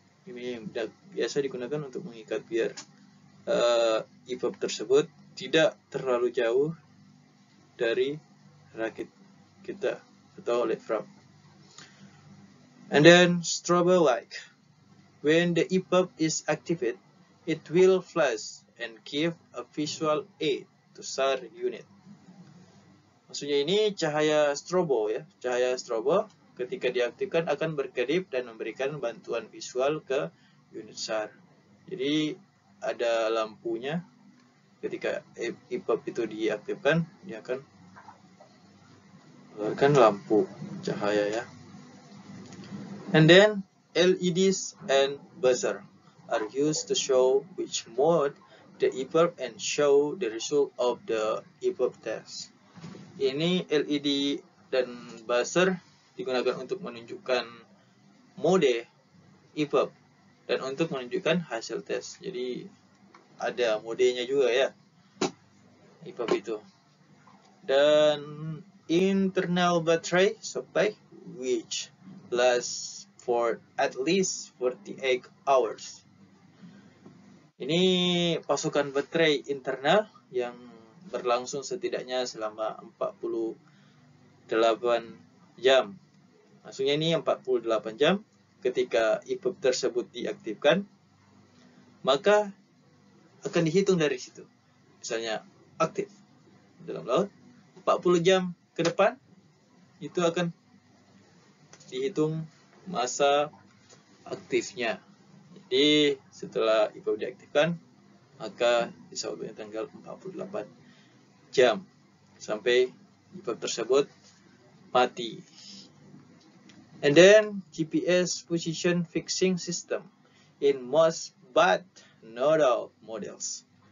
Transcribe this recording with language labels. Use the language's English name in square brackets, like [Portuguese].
[Indonesian] Ini yang biasa digunakan untuk mengikat biar EPUB tersebut tidak terlalu jauh dari rakit kita atau life raft. [English] And then strobe light. When the EPUB is activated, it will flash and give a visual aid to SAR unit. [Indonesian] Maksudnya ini cahaya strobo ya, cahaya strobo ketika diaktifkan akan berkedip dan memberikan bantuan visual ke unit SAR. Jadi ada lampunya ketika EPUB itu diaktifkan, dia akan mengeluarkan lampu cahaya ya. [English] And then LEDs and buzzer are used to show which mode the EPUB and show the result of the EPUB test. [Indonesian] Ini LED dan buzzer digunakan untuk menunjukkan mode EPUB dan untuk menunjukkan hasil tes. Jadi ada modenya juga ya EPUB itu. Dan [English] internal battery supply which lasts for at least 48 hours. [Indonesian] Ini pasokan baterai internal yang berlangsung setidaknya selama 48 jam. Maksudnya ini 48 jam ketika EPUB tersebut diaktifkan, maka akan dihitung dari situ. Misalnya aktif dalam laut, 40 jam ke depan itu akan dihitung masa aktifnya. Jadi setelah EPUB diaktifkan, maka disebutnya tanggal 48 jam sampai ipat tersebut mati. [English] And then GPS position fixing system in most but not all models.